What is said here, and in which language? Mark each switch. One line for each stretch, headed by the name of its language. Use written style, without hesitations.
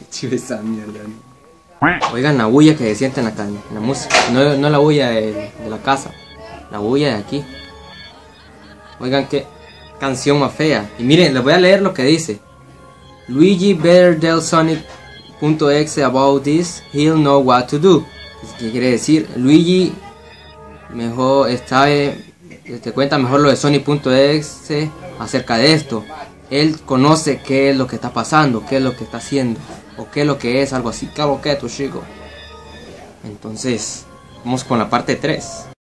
Spanish: Esa mierda, ¿no? Oigan la bulla que se siente en la calle, en la música. No la bulla de la casa, la bulla de aquí. Oigan qué canción más fea. Y miren, les voy a leer lo que dice.
English: Luigi better tell Sonic.exe about this, he'll know what to do.
Spanish: ¿Qué quiere decir? Luigi mejor está, te cuenta mejor lo de Sonic.exe acerca de esto. Él conoce qué es lo que está pasando, qué es lo que está haciendo. O qué es lo que es, algo así, cabo que tu chico. Entonces, vamos con la parte 3.